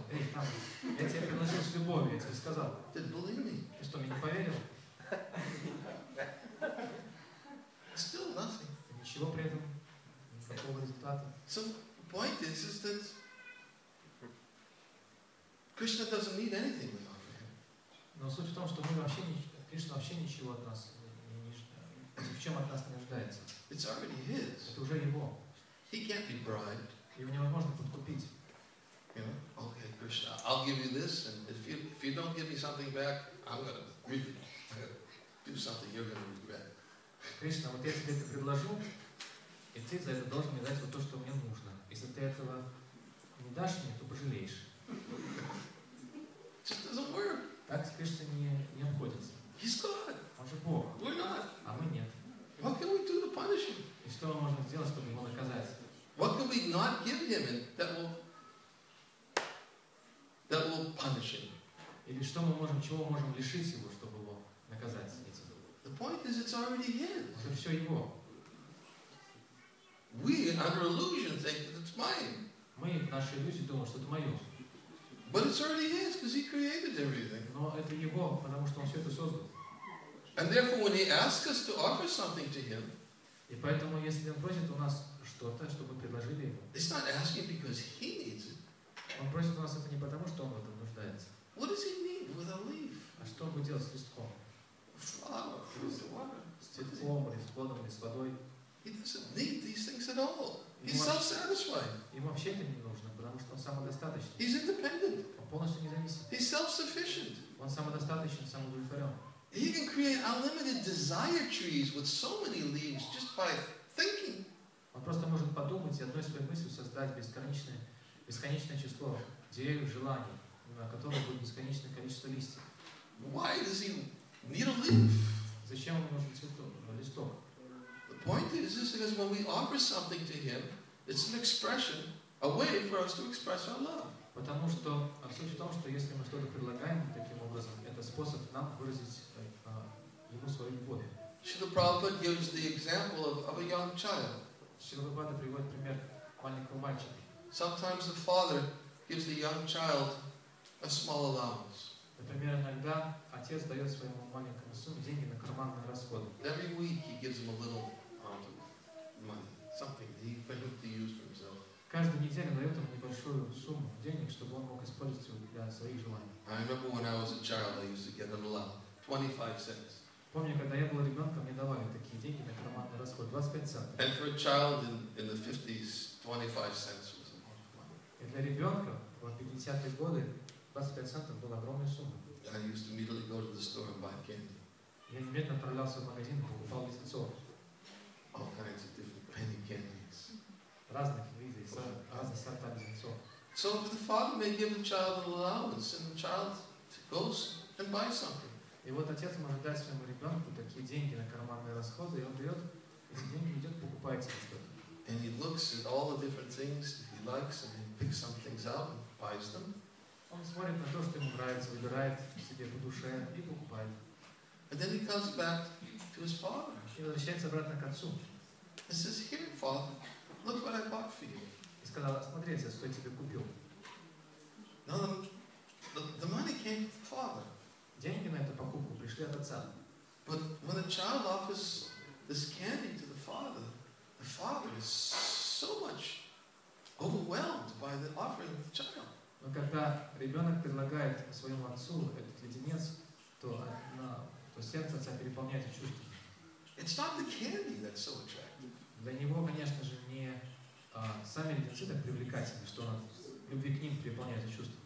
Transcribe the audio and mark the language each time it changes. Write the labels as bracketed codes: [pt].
[ru] Эй, там, я тебе предложил с любовью, я тебе сказал. [en] Did you believe me? [ru] Ты что, мне не поверил? [en] Still nothing. [ru] Ничего при этом, никакого результата. [en] So the point is that Krishna doesn't need anything without him. [ru] Но суть в том, что мы вообще не, Кришна вообще ничего от нас ни в чем от нас не нуждается. [en] It's already his. [ru] Это уже его. [en] He can't be bribed. [ru] Его невозможно подкупить. [en] You know? Okay, Krishna, I'll give you this, and if you don't give me something back, I'm gonna do something you're gonna regret. [ru] Кришна, вот я тебе это предложу, и ты за это должен мне дать вот то, что мне нужно. Если ты этого не дашь мне, то пожалеешь. [en] Just doesn't work. [ru] Так с Кришной не обходится. [en] He's God. [ru] Он же Бог. [en] We're not. [ru] А мы нет. [en] What can we do to punish him? [ru] И что можно сделать, чтобы его наказать? [en] What can we not give him that will punish him? [ru] Или что мы можем, чего можем лишить его, чтобы его наказать? [en] The point is, it's already his. [ru] Это все его. [en] We, under illusion, think that it's mine. [ru] Мы в нашей иллюзии думаем, что это мое. [en] But it's already his, because he created everything. [ru] Но это его, потому что он все это создал. [en] And therefore, when he asks us to offer something to him, [ru] и поэтому, если он просит у нас что-то, чтобы предложили ему, [en] he's not asking because he needs it. [ru] Он просит у нас это не потому, что он в этом нуждается. [en] What does he need with a leaf? [ru] А что он будет делать с листком? [en] Flower, fruit, water. He doesn't need these things at all. He's self-satisfied. [ru] Ему вообще это не нужно, потому что он самодостаточен. [en] He's independent. [ru] Он полностью независим. [en] He's self-sufficient. [ru] Он самодостаточен, самоудовлетворен. [en] He can create unlimited desire trees with so many leaves just by thinking. [ru] Он просто может подумать и одной своей мыслью создать бесконечное число деревьев желаний, на которых будет бесконечное количество листьев. [en] Why does he need a leaf? [ru] Зачем ему нужен цветок, листок? [en] The point is, because when we offer something to him, it's an expression, a way for us to express our love. [ru] Потому что суть в том, что если мы что-то предлагаем таким образом, это способ нам выразить ему свою любовь. [en] Srila Prabhupada gives the example of a young child. [ru] Srila Prabhupada приводит пример маленького мальчика. [en] Sometimes the father gives the young child a small allowance. [ru] Например, иногда отец дает своему маленькому сыну деньги на карманные расходы. [en] Every week he gives him a little amount of money, something that he can hope to use for himself. [ru] Каждую неделю дает ему небольшую сумму денег, чтобы он мог использовать для своих желаний. [en] I remember when I was a child, I used to get an allowance, 25 cents. [ru] Помню, когда я был ребенком, мне давали такие деньги на карманные расходы, 25 центов. [en] And for a child in the 50s, 25 cents was a lot of money. [ru] И для ребенка в 50-е годы 25 центов была огромная сумма. [en] I used to immediately go to the store and buy candy. [ru] Я немедленно отправлялся в магазин и покупал леденцов. [en] All kinds of different penny candies. [ru] Разных видов, разных сортов леденцов. [en] So the father may give the child an allowance, and the child goes and buys something. [ru] И вот отец может дать своему ребенку такие деньги на карманные расходы, и он берет эти деньги и идет покупает себе что-то. [en] And he looks at all the different things that he likes, and he picks some things out and buys them. [ru] Он смотрит на то, что ему нравится, выбирает себе по душе и покупает. [en] And then he comes back to his father. [ru] И возвращается обратно к отцу. [en] He says, "Here, father, look what I bought for you." [ru] И сказал: "Смотри, отец, что я тебе купил." [en] No, the money came from father. [ru] Деньги на эту покупку пришли от отца. [en] But when a child offers this candy to the father is so much overwhelmed by the offering of the child. [ru] Но когда ребенок предлагает своему отцу этот леденец, то сердце отца переполняется чувствами. [en] It's not the candy that's so attractive. [ru] Для него, конечно же, не сами леденцы так привлекательны, что он любви к ним переполняется чувствами.